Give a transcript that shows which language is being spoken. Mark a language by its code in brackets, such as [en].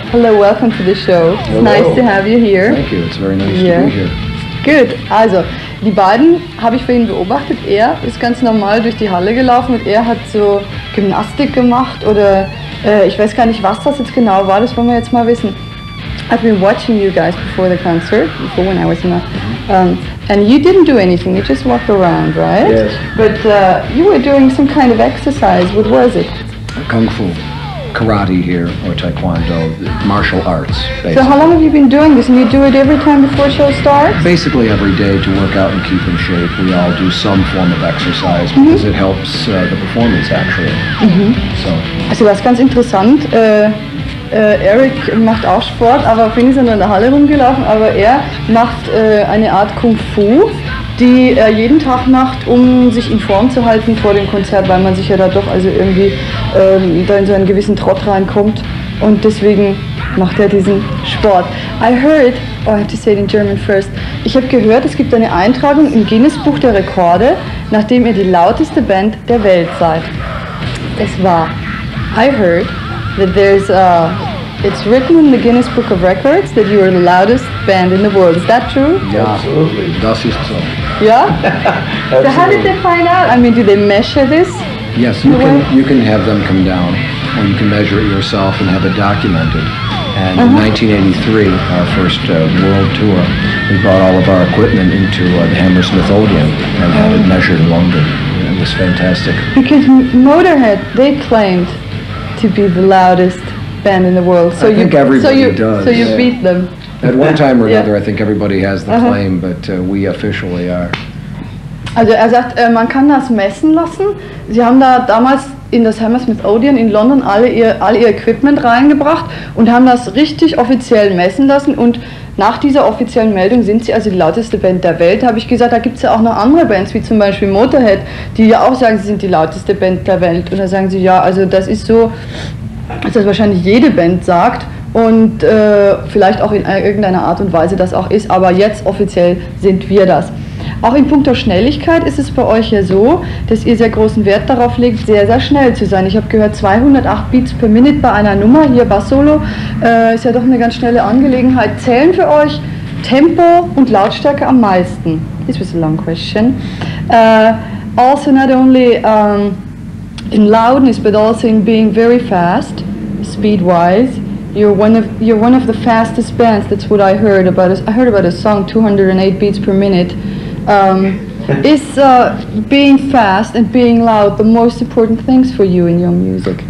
[en] Hello, welcome to the show. It's Hello. Nice to have you here. Thank you, it's very nice yeah. to be here. Good. [de] Also, die beiden habe ich vorhin beobachtet. Er ist ganz normal durch die Halle gelaufen und er hat so Gymnastik gemacht oder ich weiß gar nicht, was das jetzt genau war, das wollen wir jetzt mal wissen. [en] I've been watching you guys before the concert, before when I was in the... And you didn't do anything, you just walked around, right? Yes. But you were doing some kind of exercise, what was it? Kung Fu, karate here, or taekwondo, martial arts, basically. So how long have you been doing this, and you do it every time before show starts? Basically every day to work out and keep in shape, we all do some form of exercise, because mm-hmm. it helps the performance, actually. Mm-hmm. So that's [de] ganz interessant. Eric macht auch Sport, aber vorhin ist er nur in der Halle rumgelaufen, aber er macht eine Art Kung-Fu, die er jeden Tag macht, um sich in Form zu halten vor dem Konzert, weil man sich ja da doch also irgendwie da in so einen gewissen Trott reinkommt und deswegen macht er diesen Sport. [en] I heard, oh, I have to say it in German first, [de] ich habe gehört, es gibt eine Eintragung im Guinness Buch der Rekorde, nachdem ihr die lauteste Band der Welt seid. Es war, [en] I heard, that there's it's written in the Guinness Book of Records that you are the loudest band in the world. Is that true? Yeah, absolutely. [de] Das ist so. [en] Yeah? Absolutely. So how did they find out? I mean, do they measure this? Yes, you can have them come down and you can measure it yourself and have it documented. And uh-huh. in 1983, our first world tour, we brought all of our equipment into the Hammersmith Odeon and had it measured in London. It was fantastic. Because Motorhead, they claimed to be the loudest band in the world. So I think everybody does. So you beat them. At one time or another, I think everybody has the claim, but we officially are. [de] Also er sagt, man kann das messen lassen. Sie haben da damals in das Hammersmith Odeon in London all ihr Equipment reingebracht und haben das richtig offiziell messen lassen und nach dieser offiziellen Meldung sind sie also die lauteste Band der Welt, habe ich gesagt. Da gibt es ja auch noch andere Bands, wie zum Beispiel Motorhead, die ja auch sagen, sie sind die lauteste Band der Welt. Und da sagen sie, ja, also das ist so, dass das wahrscheinlich jede Band sagt und vielleicht auch in irgendeiner Art und Weise das auch ist. Aber jetzt offiziell sind wir das. Auch in puncto Schnelligkeit ist es bei euch ja so, dass ihr sehr großen Wert darauf legt, sehr, sehr schnell zu sein. Ich habe gehört, 208 Beats per Minute bei einer Nummer, hier Bass-Solo, ist ja doch eine ganz schnelle Angelegenheit. Zählen für euch Tempo und Lautstärke am meisten? [en] This was a long question. Also not only in loudness, but also in being very fast, speed-wise. You're one of the fastest bands, that's what I heard about. I heard about a song, 208 beats per minute. Is being fast and being loud the most important things for you in your music?